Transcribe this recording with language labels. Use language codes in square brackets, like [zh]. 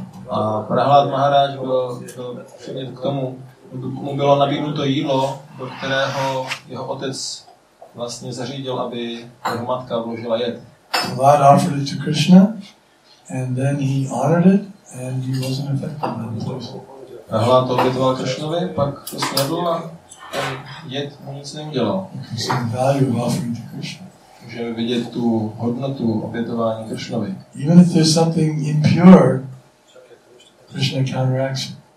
[cs] A Prahlad Maharaj byl přimět k tomu, mu bylo nabídnuto jídlo, do kterého jeho otec vlastně zařídil, aby jeho matka vložila jed. [en] Prahlad offered it to Krishna, and then he honored it, and he wasn't affected by the poison. [cs] Prahlad to obětoval Krishnovi, pak to snědl a ten jed mu nic neudělal. [en] So the value of offering to Krishna. [cs] Můžeme vidět tu hodnotu obětování Krishnovi. [en] Even if there's something impure, Krishna counteracts it.